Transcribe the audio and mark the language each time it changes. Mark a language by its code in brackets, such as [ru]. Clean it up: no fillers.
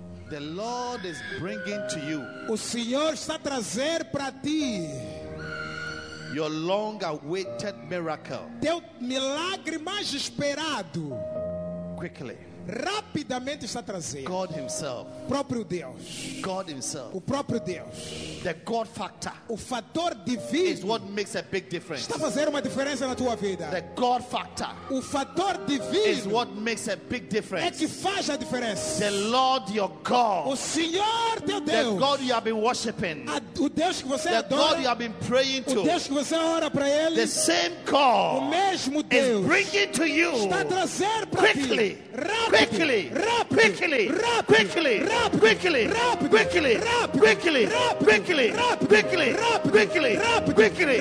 [en] The Lord is bringing to you. [pt] O Senhor está trazendo para ti. [en] Your long-awaited miracle. [pt] Teu milagre mais esperado. [en] Quickly. [pt] Rapidamente está trazendo. [en] God himself. [pt] Próprio Deus. [en] God himself. [pt] O próprio Deus. [en] The God factor. [pt] O fator divino. [en] Is what makes a big difference. [pt] Está fazendo uma diferença na tua vida. [en] The God factor. [pt] O fator divino. [en] Is what makes a big difference. [pt] É que faz a diferença. [en] The Lord your God. [pt] O Senhor teu Deus. [en] The God you have been worshiping. [pt] O Deus que você [en] the [pt] adora. [en] The God you have been praying to. [pt] O Deus que você ora para ele. [en] The same God. [pt] O mesmo Deus. [en] Is bringing to you. [pt] Está trazendo para [en] quickly. [pt] Rápido. [en] Quickly, [pt] rápido, [en] quickly, [pt] rápido, [en] quickly, [pt] rápido, [en] quickly, [pt] rápido, [en] quickly, [pt] rápido, [en] quickly, [pt] rápido, [en] quickly, [pt] rápido, [en] quickly, [pt] rápido, [en] quickly, [pt] rápido, [en] quickly,